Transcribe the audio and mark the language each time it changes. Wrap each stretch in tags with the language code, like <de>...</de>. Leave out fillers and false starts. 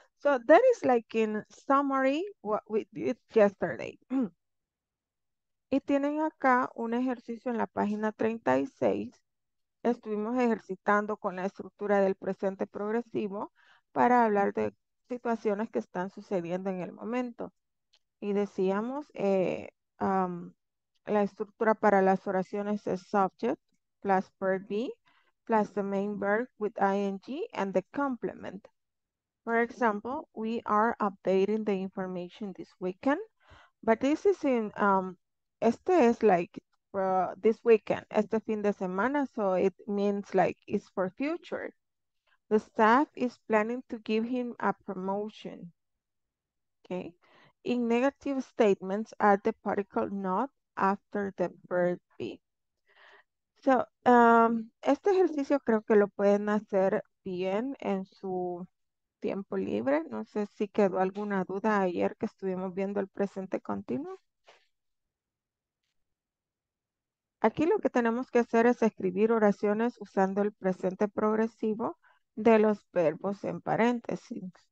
<en>So that is like in summary what we did yesterday.</en> <es>Y tienen acá un ejercicio en la página 36. Estuvimos ejercitando con la estructura del presente progresivo para hablar de situaciones que están sucediendo en el momento. Y decíamos, la estructura para las oraciones es</es> <en>subject plus verb be plus the main verb with ing and the complement. For example, we are updating the information this weekend, but this is in,</en> <es>este es</es> <en>like for this weekend,</en> <es>este fin de semana,</es> <en>so it means like it's for future. The staff is planning to give him a promotion. Okay. In negative statements, add the particle not after the verb be.</en> <es>So, este ejercicio creo que lo pueden hacer bien en su tiempo libre, no sé si quedó alguna duda ayer que estuvimos viendo el presente continuo. Aquí lo que tenemos que hacer es escribir oraciones usando el presente progresivo de los verbos en paréntesis.</es>